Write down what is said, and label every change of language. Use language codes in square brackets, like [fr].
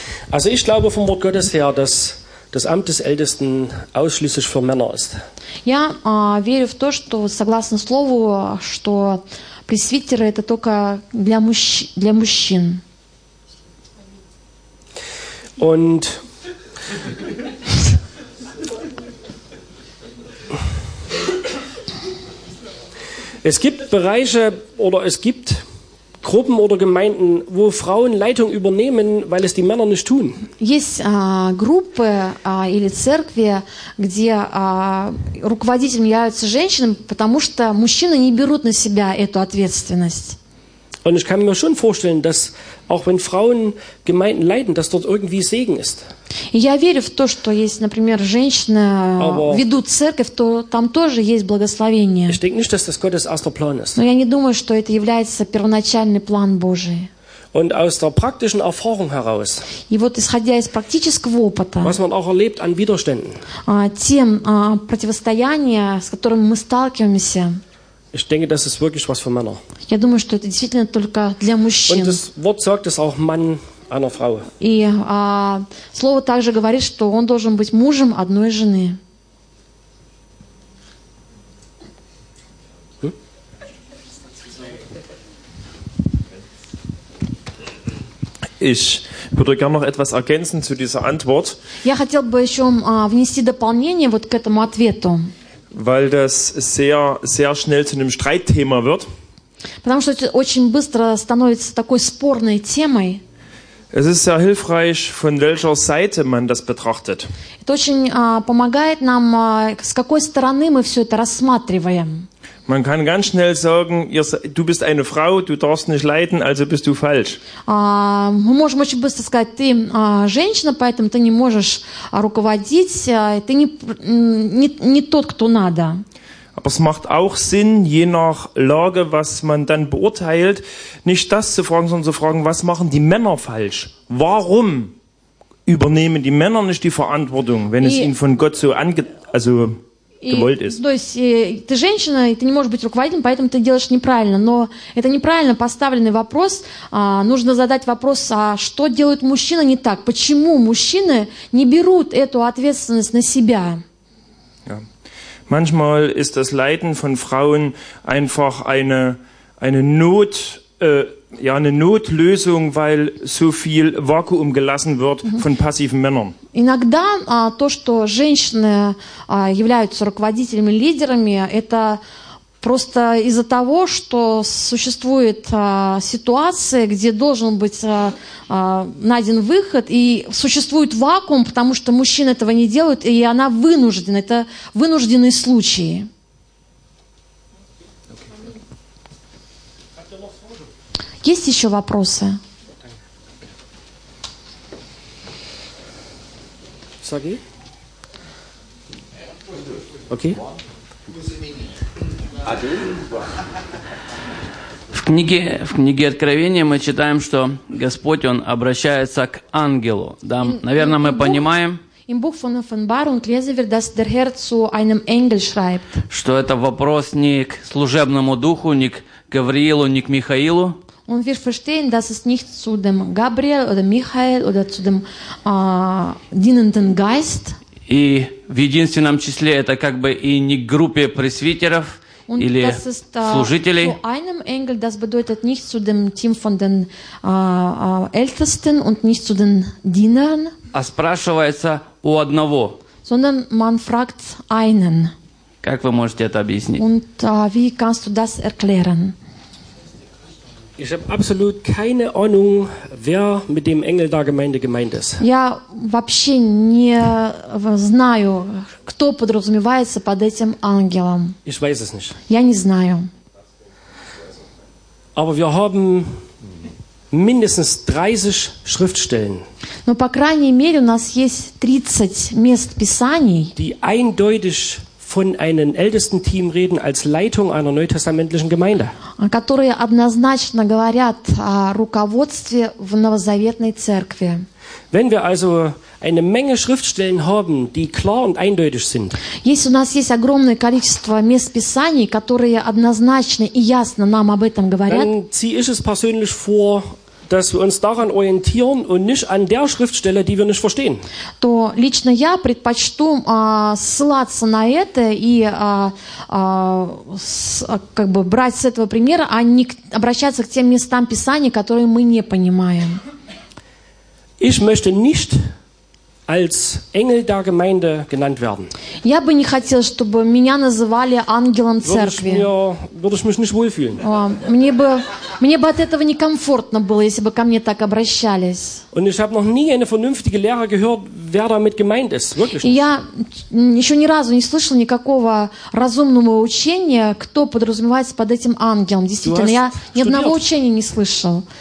[de] Also ich glaube vom Wort Gottes her, dass das Amt des Ältesten ausschließlich für Männer ist. [ru] Я верю в то, что согласно слову, что пресвитеры это только для мужчин. [de] Und es gibt Bereiche oder es gibt Gruppen oder Gemeinden, wo Frauen Leitung übernehmen, weil es die Männer nicht tun. [ru] Есть группы или церкви, где руководителем являются женщины, потому что мужчины не берут на себя эту ответственность. [de] Und ich kann mir schon vorstellen, dass auch wenn Frauen Gemeinden leiten, dass dort irgendwie Segen ist. [ru] Я верю в то, что если, например, женщины ведут церковь, то там тоже есть благословение. [de] Ich denke nicht, dass das Gottes erster Plan ist. [ru] Но я не думаю, что это является первоначальный план Божий. [de] Und aus der praktischen Erfahrung heraus. [ru] И вот исходя из практического опыта. [de] Was man auch erlebt an Widerständen. [ru] Тем противостояния, с которыми мы сталкиваемся. [de] Ich denke, das ist wirklich was für Männer. [ru] Я думаю, что это действительно только для мужчин. [de] Und das Wort sagt es auch Mann einer Frau. [ru] И слово также говорит, что он должен быть мужем одной жены. [de] Ich würde gerne noch etwas ergänzen zu dieser Antwort. [ru] Я хотел бы еще внести дополнение вот к этому ответу. [de] Weil das sehr, sehr schnell zu einem Streitthema wird. [ru] Потому что это очень быстро становится такой спорной темой. [de] Es ist sehr hilfreich, von welcher Seite man das betrachtet. [ru] Это очень помогает нам, с какой стороны мы все это рассматриваем. [de] Man kann ganz schnell sagen, du bist eine Frau, du darfst nicht leiden, also bist du falsch. [ru] Мы можем очень быстро сказать, ты женщина, поэтому ты не можешь руководить, ты не тот, кто надо. [de] Aber es macht auch Sinn, je nach Lage, was man dann beurteilt, nicht das zu fragen, sondern zu fragen, was machen die Männer falsch? Warum übernehmen die Männer nicht die Verantwortung, wenn es ihnen von Gott so also gewollt ist? [ru] То есть ты женщина, и ты не можешь быть руководителем, поэтому ты делаешь неправильно. Но это неправильно поставленный вопрос. Нужно задать вопрос, а что делают мужчины не так? Почему мужчины не берут эту ответственность на себя? [de] Manchmal ist das Leiden von Frauen einfach eine Notlösung, weil so viel Vakuum gelassen wird von passiven Männern. [ru] Иногда то, что женщины являются руководителями, лидерами, это просто из-за того, что существует ситуация, где должен быть найден выход, и существует вакуум, потому что мужчины этого не делают, и она вынуждена. Это вынужденные случаи. Okay. Есть еще вопросы? Саги? Окей. В книге Откровения мы читаем, что Господь, Он обращается к ангелу. Да, наверное, мы понимаем, что это вопрос не к служебному духу, не к Гавриилу, не к Михаилу. [de] Und wir verstehen, dass es nicht zu dem Gabriel oder Michael oder zu dem dienenden Geist. [ru] И в единственном числе это как бы и не к группе пресвитеров или служителей. [de] Zu einem Engel, das bedeutet nicht zu dem Team von den Ältesten und nicht zu den Dienern. [ru] А спрашивается у одного. [de] Sondern man fragt einen. [ru] Как вы можете это объяснить? [de] Und wie kannst du das erklären? Ich habe absolut keine Ahnung, wer mit dem Engel da gemeint ist. [ru] Я вообще не знаю, кто подразумевается под этим ангелом. [de] Ich weiß es nicht. [ru] Я не знаю. [de] Aber wir haben mindestens 30 Schriftstellen. [ru] Но по крайней мере у нас есть 30 мест Писаний, [de] die eindeutig von einem ältesten Team reden als Leitung einer neutestamentlichen Gemeinde. [ru] Которые однозначно говорят о руководстве в новозаветной церкви. [de] Wenn wir also eine Menge Schriftstellen haben, die klar und eindeutig sind. [ru] Если у нас есть огромное количество мест Писаний, которые однозначно и ясно нам об этом говорят. [de] Dann ziehe ich es persönlich vor, dass wir uns daran orientieren und nicht an der Schriftstelle, die wir nicht verstehen. [ru] То лично я предпочту ссылаться на это и как бы брать с этого примера, а не обращаться к тем местам Писания, которые мы не понимаем. [de] Ich möchte nicht als Engel der Gemeinde genannt werden. [ru] Я бы не хотел, чтобы меня называли ангелом церкви. [de] Würde ich mich nicht wohlfühlen. [ru] Мне бы от этого некомфортно было, если бы ко мне так обращались. [de] Und ich habe noch nie eine vernünftige Lehre gehört, wer damit gemeint ist. Wirklich. [ru] Я еще ни разу не слышал никакого разумного учения, кто подразумевается под этим ангелом. Действительно, я ни одного учения не слышал.